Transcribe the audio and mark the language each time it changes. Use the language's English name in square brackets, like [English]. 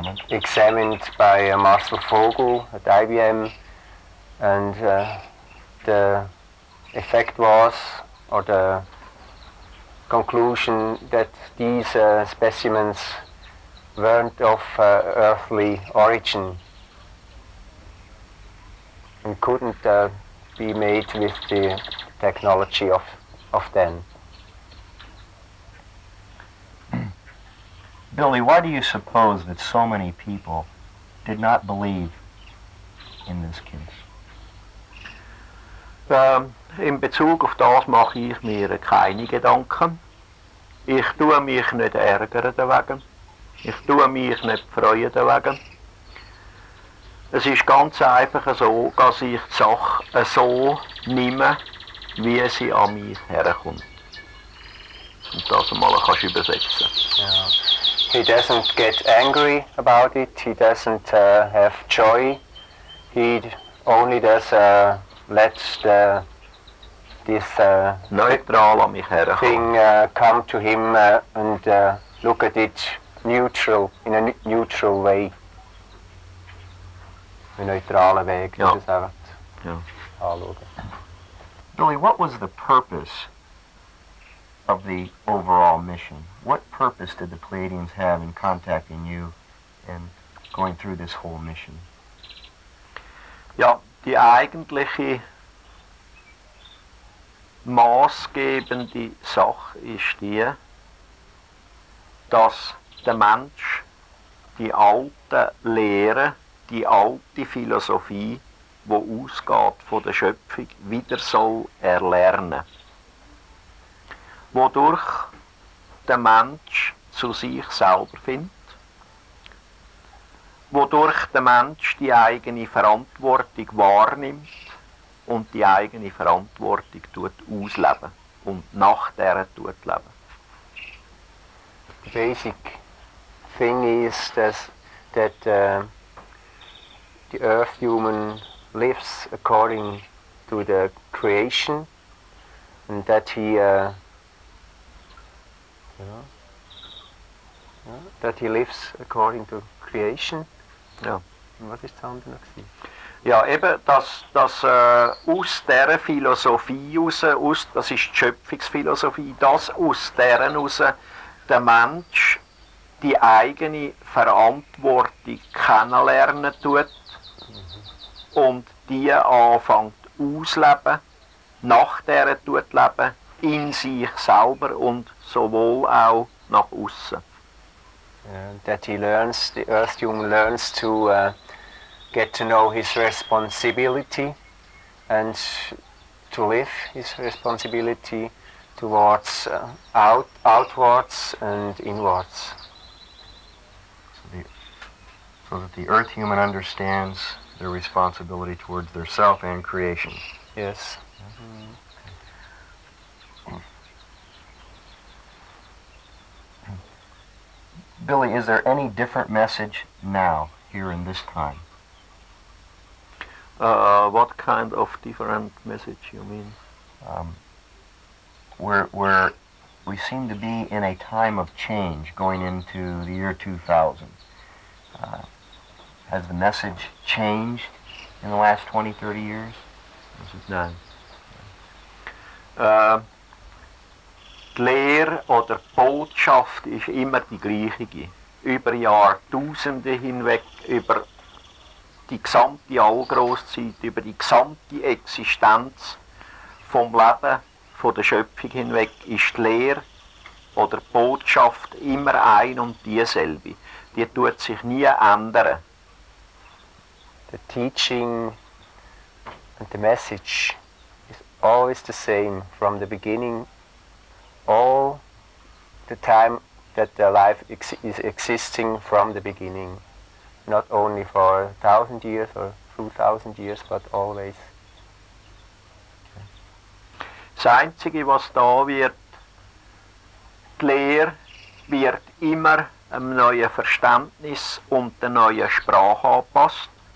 [English] examined by Marcel Vogel at IBM, and the effect was, or the conclusion, that these specimens weren't of earthly origin and couldn't be made with the technology of then. Billy, why do you suppose that so many people did not believe in this case? [German] In Bezug auf das mache ich mir keine Gedanken. Ich tue mich nicht ärgern deswegen. Ich tue mich nicht freuen deswegen. Es ist ganz einfach so, dass ich die Sache so nehme, wie sie an mich herkommt. Und das einmal kannst du übersetzen. [English] Yeah. He doesn't get angry about it, he doesn't have joy. He only does let the this [German] neutral an mich herkommt. [English] Thing come to him and look at it neutral, in a neutral way. [German] Ein neutraler Weg, anschauen. [English] Billy, what was the purpose of the overall mission? What purpose did the Pleiadians have in contacting you and going through this whole mission? [German] Ja, die eigentliche maßgebende Sache ist die, dass der Mensch die alte Lehre, die alte Philosophie, die ausgeht von der Schöpfung, wieder soll erlernen. Wodurch der Mensch zu sich selber findet, wodurch der Mensch die eigene Verantwortung wahrnimmt und die eigene Verantwortung tut ausleben und nach der tut leben. [English] The basic thing is that the earth human lives according to the creation, and that he lives according to creation. [German] Ja. Was ist das andere noch? Ja, eben, dass aus dieser Philosophie heraus, das ist die Schöpfungsphilosophie, dass aus deren heraus der Mensch die eigene Verantwortung kennenlernen tut, und die anfängt ausleben, nach der tut leben, in sich selber und sowohl auch nach außen. [English] That he learns, the earth human learns to get to know his responsibility and to live his responsibility towards outwards and inwards. So that the earth human understands their responsibility towards their self and creation. Yes. Mm-hmm. Billy, is there any different message now, here in this time? What kind of different message you mean? we're we seem to be in a time of change going into the year 2000. Has the message changed in the last 20, 30 years? Is it not? [German] Die Lehre oder Botschaft ist immer die gleiche. Über Jahrtausende hinweg, über die gesamte Allgrosszeit, über die gesamte Existenz vom Leben, von der Schöpfung hinweg, ist die Lehre oder die Botschaft immer ein und dieselbe. Die tut sich nie ändern. [English] The teaching and the message is always the same from the beginning, all the time that the life is existing from the beginning, not only for 1,000 years or 2,000 years, but always. [German] Das Einzige, was da wird, die Lehre wird immer einem neuen Verständnis und der neuen Sprache angepasst.